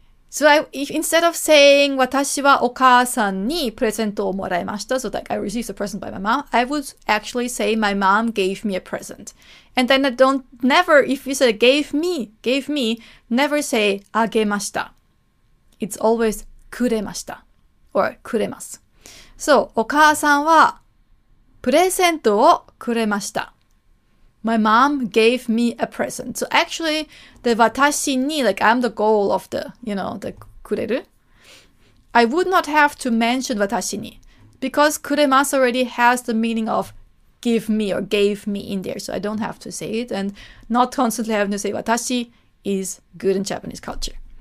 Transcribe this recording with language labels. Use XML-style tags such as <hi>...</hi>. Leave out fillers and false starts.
<en>So instead of saying</en> <ja>私はお母さんにプレゼントをもらいました,</ja> <en>so like I received a present by my mom, I would actually say my mom gave me a present. And then I don't never, if you say gave me, never say あげました. It's always くれました or くれます.</en> <ja>So お母さんはプレゼントをくれました.</ja> <en>My mom gave me a present. So actually, the 私に, like I'm the goal of the, you know, the kureru. I would not have to mention 私に, because kuremasu already has the meaning of give me or gave me in there. So I don't have to say it, and not constantly having to say 私 is good in Japanese culture.</en>